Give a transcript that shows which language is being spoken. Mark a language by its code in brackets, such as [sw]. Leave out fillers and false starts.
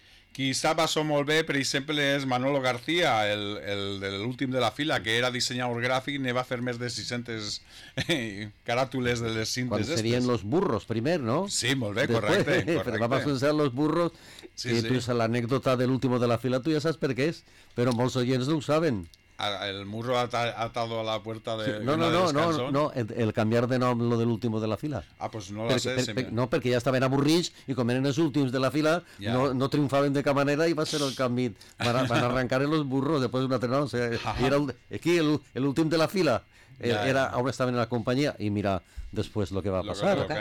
[ca] Qui sap això molt bé, per exemple, és Manolo García, el de l'últim de la fila, que era dissenyador gràfic i va fer més de 600 caràtules de les cintes. Quan serien estes. Los burros, primer, no? Sí, molt bé, correcte. Però va passar los burros, sí, que sí. Tu és l'anècdota de l'últim de la fila, tu ja saps per què és, però molts oients no ho saben. [es] El murro atado a la puerta de... [ca] No, el canviar de nom, lo de l'último de la fila. [es] Ah, pues no lo sé. [ca] No, perquè ja estaven avorrits i com eren els últims de la fila, ja. no triomfaven de cap manera i va ser el canvi. Van arrencar los burros, després un altre nom. Aquí, l'últim de la fila, era on estaven en la companyia i mira després lo que va passar.